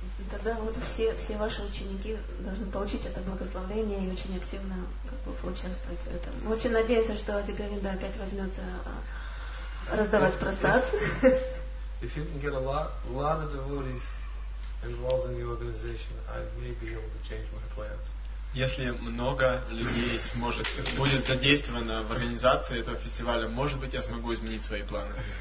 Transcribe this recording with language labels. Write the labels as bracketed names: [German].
[Russian] Тогда вот все ваши ученики должны получить это благословение и очень активно как бы участвовать в этом. Мы очень надеемся, что Ади Говинда опять возьмется раздавать просад. [English] If you can get a lot of devotees involved in the organization, I may be able to change my plans. [Russian] Если много людей будет задействовано в организации этого фестиваля, может быть, я смогу изменить свои планы.